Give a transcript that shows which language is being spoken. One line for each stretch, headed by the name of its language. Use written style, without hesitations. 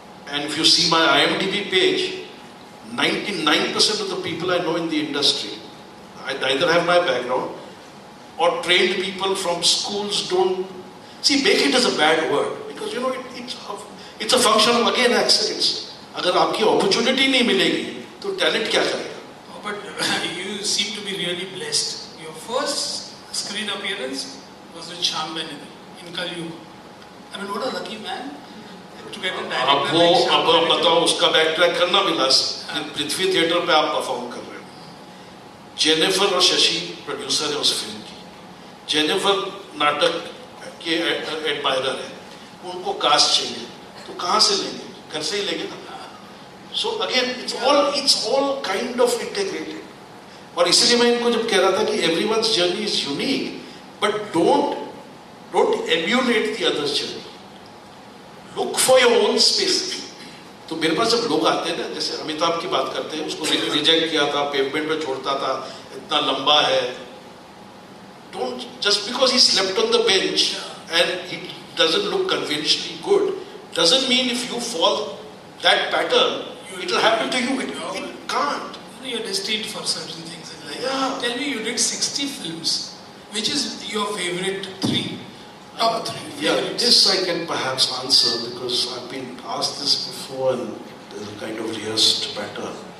English: And if you see my IMDb page, 99% of the people I know in the industry, I neither have my background or trained people from schools don't. See, make it as a bad word because you know it's a function of again accidents.
Hindi: अगर आपकी opportunity नहीं मिलेगी, तो talent क्या करेगा?
English: Oh, but you seem to be really blessed. Your first screen appearance was with Shyam Benegal in Kaliyuga. I mean, what a lucky man to get a director.
Hindi: अब वो अब आप बताओ उसका backtrack करना मिला पृथ्वी थिएटर पे आप perform कर रहे हो। Jennifer और शशि producer है उस film की। Jennifer नाटक के एडमायरर है, उनको कास्ट चाहिए, तो कहाँ से लेंगे? घर से ही लेंगे ना।
English: So again it's all kind of integrated.
Hindi: और इसीलिए मैं इनको जब कह रहा था कि
English: Everyone's journey is unique, but don't emulate the others journey, look for your own space.
Hindi: तो मेरे पास जब लोग आते हैं ना, जैसे अमिताभ की बात करते हैं, उसको रिजेक्ट किया था, पेवमेंट पर छोड़ता था, इतना लंबा है,
English: don't just because he slept on the bench and he doesn't look conventionally good, doesn't mean if you fall that pattern, it'll happen to you. It can't. You're destined for certain things in life. Yeah. Tell me, you did 60 films. Which is your favorite three? Top three. Yeah, this I can perhaps answer because I've been asked this before and there's a kind of rehearsed pattern.